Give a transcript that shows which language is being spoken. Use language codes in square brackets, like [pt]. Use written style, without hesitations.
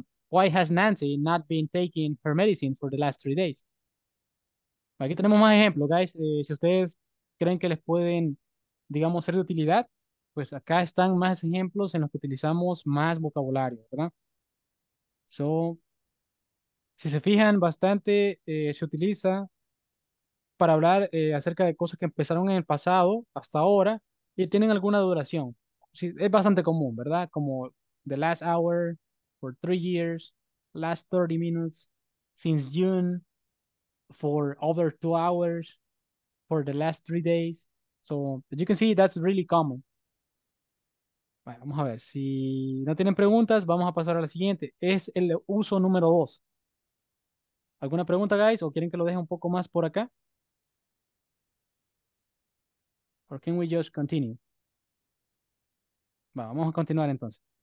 [en] Why has Nancy not been taking her medicine for the last 3 days? [es] Aquí tenemos más ejemplos, guys. Si ustedes creen que les pueden, digamos, ser de utilidad, pues acá están más ejemplos en los que utilizamos más vocabulario, ¿verdad? So, si se fijan, bastante se utiliza para hablar acerca de cosas que empezaron en el pasado hasta ahora y tienen alguna duración. Sí, es bastante común, ¿verdad? [en] Como the last hour, for 3 years, last 30 minutes, since June, for over 2 hours, for the last 3 days. So, as you can see, that's really common. [es] Bueno, vamos a ver, si no tienen preguntas, vamos a pasar a la siguiente. Es el uso número 2. ¿Alguna pregunta, guys? ¿O quieren que lo deje un poco más por acá? Or can we just continue? Bueno, vamos a continuar entonces.